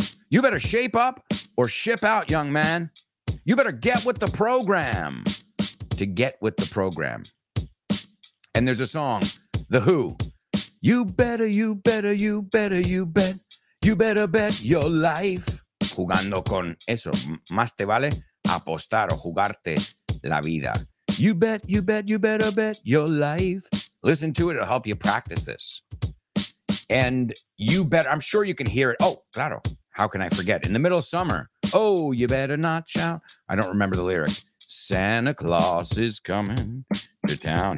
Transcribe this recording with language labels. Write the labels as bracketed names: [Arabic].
[English] You better shape up or ship out, young man. You better get with the program. To get with the program. And there's a song, The Who. You better, you better, you better, you bet. You better bet your life. [Spanish] Jugando con eso. Más te vale apostar o jugarte la vida. [English] You bet, you bet, you better bet your life. Listen to it. It'll help you practice this. And you bet. I'm sure you can hear it. [Spanish] Oh, claro. [English] How can I forget? In the middle of summer. Oh, you better not shout. I don't remember the lyrics. Santa Claus is coming to town.